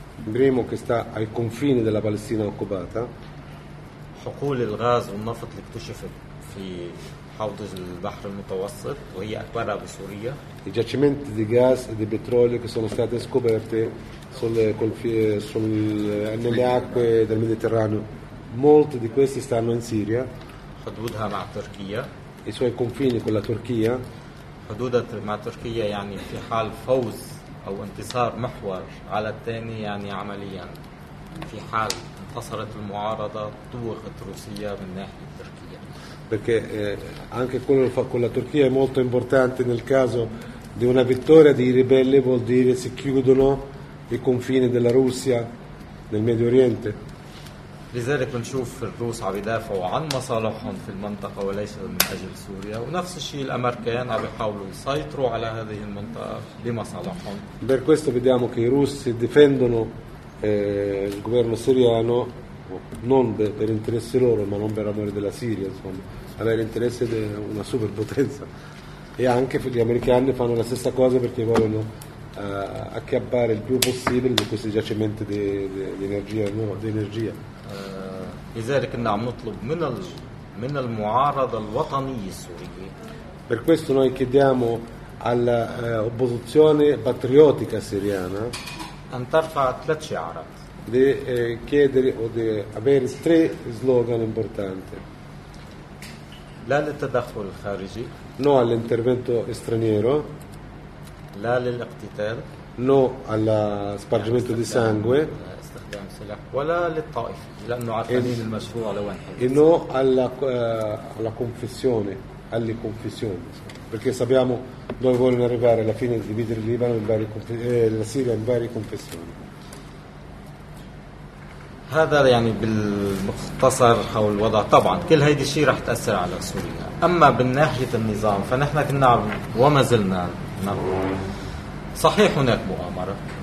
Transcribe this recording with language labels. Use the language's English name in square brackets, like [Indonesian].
[Italian] Primo, che sta ai confini della Palestina occupata. [Arabic] حقول الغاز والنفط اللي اكتشفت في حوضج البحر المتوسط وهي أكبر بسوريا. [Italian] I giacimenti di gas e di petrolio che sono state scoperte nelle acque del Mediterraneo, molti di questi stanno in Siria. [Arabic] حدودها مع تركيا. [Italian] I suoi confini con la Turchia. [Arabic] حدودها مع تركيا يعني في حال فوز أو انتصار محور على الثاني يعني عمليا في حال انتصرت المعارضة طوغت روسيا من ناحية تركيا. [Italian] Perché anche quello con la Turchia è molto importante nel caso di una vittoria dei ribelli, vuol dire si chiudono i confini della Russia nel Medio Oriente. [Arabic] لذلك نشوف الروس عم يدافعوا عن مصالحهم في المنطقة وليس من أجل سوريا, ونفس الشيء الأمريكان عم يحاولوا يسيطروا على هذه المنطقة لمصالحهم. [Italian] Per questo vediamo che i russi difendono il governo siriano non per interessi loro, ma non per amore della Siria, insomma, avere interesse di una superpotenza. E anche gli americani fanno la stessa cosa perché vogliono acchiappare il più possibile di questi giacimenti di energia. [Arabic] لذلك نعم نطلب من المعارضة الوطنية السورية. [Italian] Per questo noi chiediamo alla opposizione patriottica siriana [Arabic] أن ترفع ثلاث شعارات. [Italian] Di chiedere o di avere tre slogan importanti. [Arabic] لا للتدخل الخارجي. [Italian] No all'intervento straniero. [Arabic] لا للاقتتال. [Italian] No al spargimento di sangue. [Arabic] ولا للطائفة لأنه عارفين المشروع لوين. [Italian] E no alla confessione, alle confessioni, perché sappiamo dove vogliono arrivare alla fine, di dividere il Libano in varie la Siria in varie confessioni. [Arabic] هذا يعني بالمختصر حول الوضع. طبعا كل هيدي الشيء رح تأثر على سوريا. أما بالناحية النظام فنحن كنا وما زلنا صحيح هناك مؤامرة.